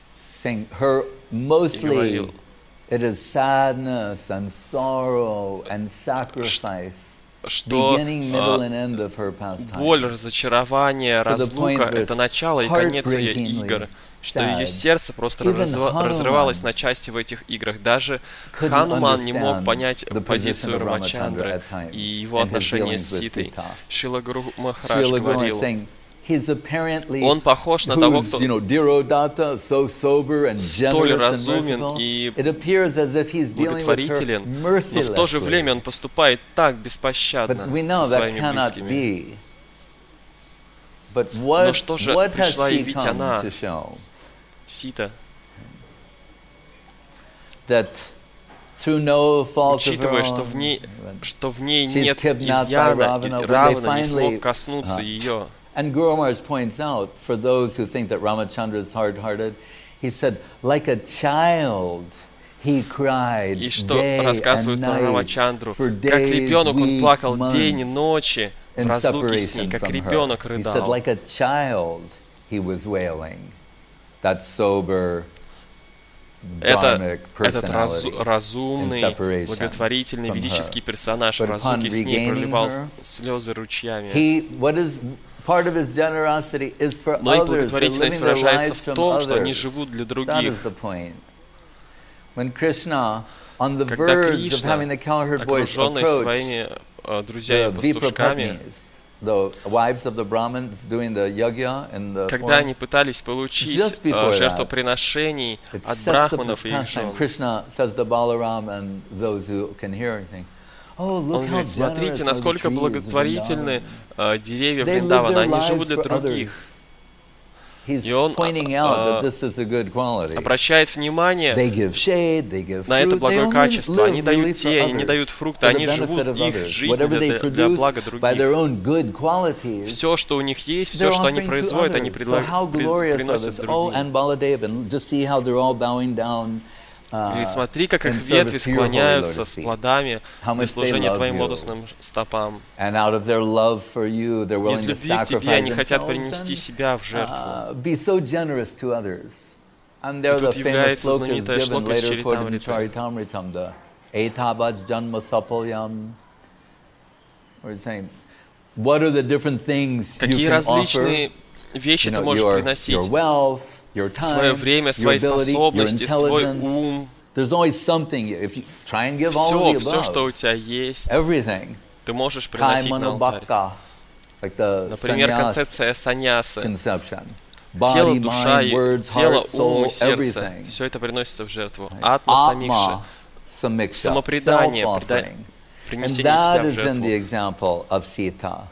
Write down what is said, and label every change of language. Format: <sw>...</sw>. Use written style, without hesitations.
<en>Think her mostly it is sadness and sorrow and sacrifice. Beginning, middle, and end of her pastimes.</en> <ru>Боль, разочарование, разлука – это начало и конец ее игр. Что ее сердце просто разрывалось на части в этих играх. Даже Хануман не мог понять позицию Рамачандры и его отношения с Ситой. Шрила Гуру Махарадж говорил, он похож на того, кто столь разумен и удовлетворителен, но в то же время он поступает так беспощадно со своими близкими. Но что же пришла явить она? Сита. Учитывая, что в ней нет изъяна, и Равана не смог коснуться ее.</ru> <en>And Guru Maharaj points out, for those who think that Ramachandra is hard-hearted, he said, like a child, he cried day and night for days, weeks, months in separation from her. He said, like a child, he was wailing. That sober, dharmic personality in separation from her. But upon regaining her, he, what is... Part of his generosity is for</en> <ru>Но и благотворительность выражается в том, что они живут для других.</ru> <en>When Krishna, on the verge of having the cowherd boys approach the wives of the Brahmins doing the yagya and the</en> <ru>Когда они пытались получить жертвоприношений от брахманов и их жен.</ru> <en>Krishna says to Balaram and those who can hear anything.</en> <ru>Он говорит, смотрите, насколько благотворительны деревья Вриндавана, они живут для других. И он обращает внимание на это благое качество. Они дают тень, они дают фрукты, они живут их жизнью для блага других. Все, что у них есть, все, что они производят, они приносят другим. Говорит, смотри, как их ветви склоняются с плодами для служения твоим лотосным стопам. Из любви к тебе они хотят принести себя в жертву. И тут является знаменитая шлока из Чаритамриты. Этабадж джанма сапалям. Какие различные вещи ты можешь приносить? Свое время, свои способности, свой ум.</ru> <en>There's always something if you try and give all of the above.</en> <ru>Все, что у тебя есть.</ru> <en>Everything.</en> <ru>Ты можешь приносить на алтарь. Например, концепция саньясы.</ru> <en>Conception.</en> <ru>Тело, душа, тело, ум и сердце. Все это приносится в жертву. Атма самикша. Самопредание, принесение себя в жертву.</ru>